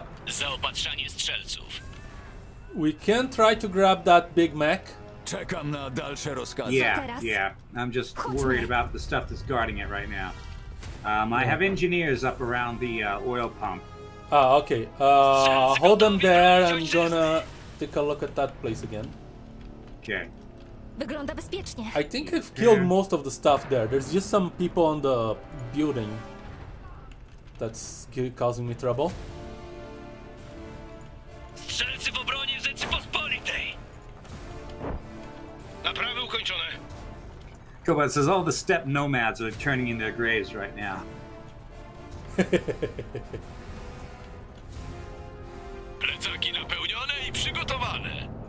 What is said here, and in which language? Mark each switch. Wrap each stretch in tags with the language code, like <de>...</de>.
<pl>Zaopatrzanie strzelców.</pl> <en>We can try to grab that Big Mac.</en> <pl>Czekam na dalsze rozkazy.</pl> <en>Yeah. I'm just worried about the stuff that's guarding it right now. I have engineers up around the oil pump. Okay. Hold them there. I'm gonna take a look at that place again. Okay.</en> <pl>Wygląda bezpiecznie.</pl> <en>I think I've killed most of the stuff there. There's just some people on the building that's causing me trouble.</en> <pl>Strzelcy w obronie Rzeczypospolitej! Naprawy ukończone.</pl> <en>Cool, but it says all the steppe nomads are turning in their graves right now.</en> <pl>Plecaki napełnione i przygotowane.</pl>